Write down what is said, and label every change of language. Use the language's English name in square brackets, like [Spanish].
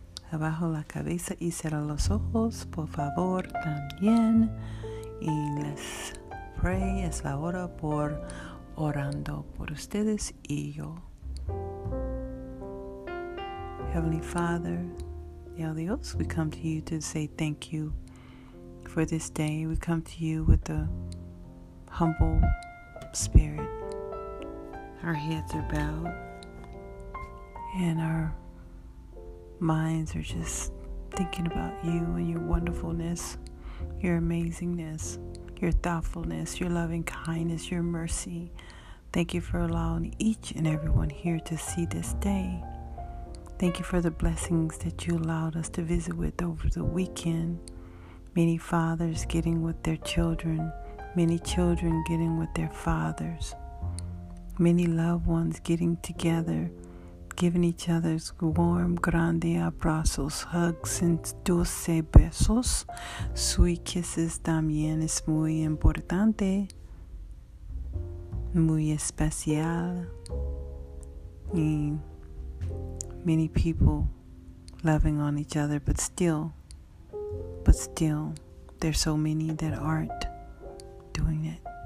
[Spanish] Abajo la cabeza y cierra los ojos, por favor, también. Y let's pray. Es la hora por orando por ustedes y yo. [English] Heavenly Father, El Dios, we come to you to say thank you for this day. We come to you with a humble spirit. Our heads are bowed and our minds are just thinking about you and your wonderfulness, your amazingness, your thoughtfulness, your loving kindness, your mercy. Thank you for allowing each and everyone here to see this day. Thank you for the blessings that you allowed us to visit with over the weekend. Many fathers getting with their children, many children getting with their fathers, many loved ones getting together, giving each other's warm, grande abrazos, hugs, and dulce besos. [Spanish] Sweet kisses también es muy importante, muy especial. [English] Y many people loving on each other, but still, there's so many that aren't doing it.